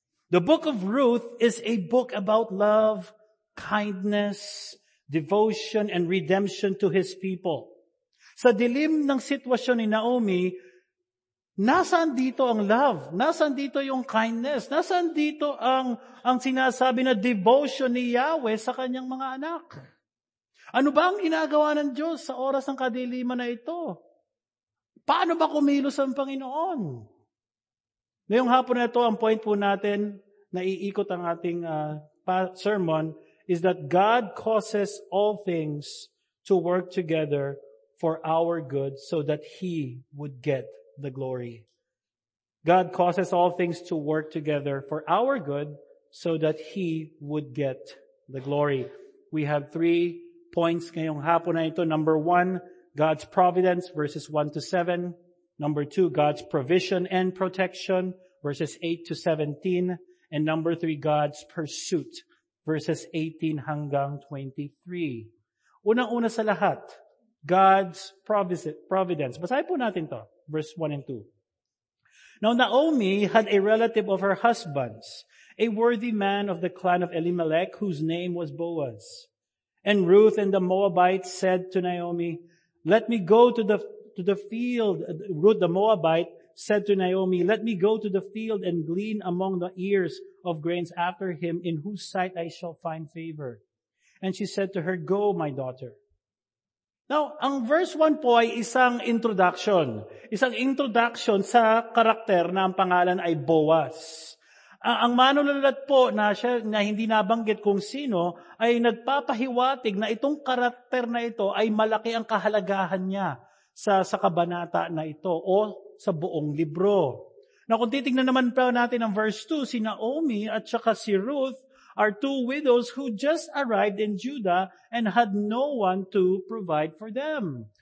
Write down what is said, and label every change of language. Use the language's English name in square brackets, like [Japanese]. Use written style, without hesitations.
[English] The book of Ruth is a book about love, kindness, devotion, and redemption to his people. [Filipino] Sa dilim ng sitwasyon ni Naomi, nasaan dito ang love? Nasaan dito yung kindness? Nasaan dito ang sinasabi na devotion ni Yahweh sa kanyang mga anak? Ano ba ang ginagawa ng Diyos sa oras ng kadiliman na ito? Paano ba kumilos ang Panginoon? Ngayong hapon na ito, ang point po natin na iikot ang ating sermon [English] is that God causes all things to work together for our good so that He would get the glory. God causes all things to work together for our good so that He would get the glory. We have 3 points [Filipino] ngayong hapon na ito. [English] Number 1, God's providence, verses 1 to 7. Number 2, God's provision and protection, verses 8 to 17. And number 3, God's pursuit, verses 18 hanggang 23. [Filipino] Unang-una sa lahat, [English] God's providence. [Filipino] Basahin po natin ito. [English] Verse 1 and 2. Now Naomi had a relative of her husband's, a worthy man of the clan of Elimelech, whose name was Boaz. And Ruth and the Moabite said to Naomi, "Let me go to the field." Ruth the Moabite said to Naomi, "Let me go to the field and glean among the ears of grains after him, in whose sight I shall find favor." And she said to her, "Go, my daughter." [Filipino] Now, ang verse 1 po ay isang introduction. Isang introduction sa karakter na ang pangalan ay Boaz. Ang manunulat po na siya na hindi nabanggit kung sino ay nagpapahiwatig na itong karakter na ito ay malaki ang kahalagahan niya sa kabanata na ito o sa buong libro. Now, kung titignan naman po natin ang verse 2, si Naomi at saka si Ruth [English] are two widows who just arrived in Judah and had no one to provide for them.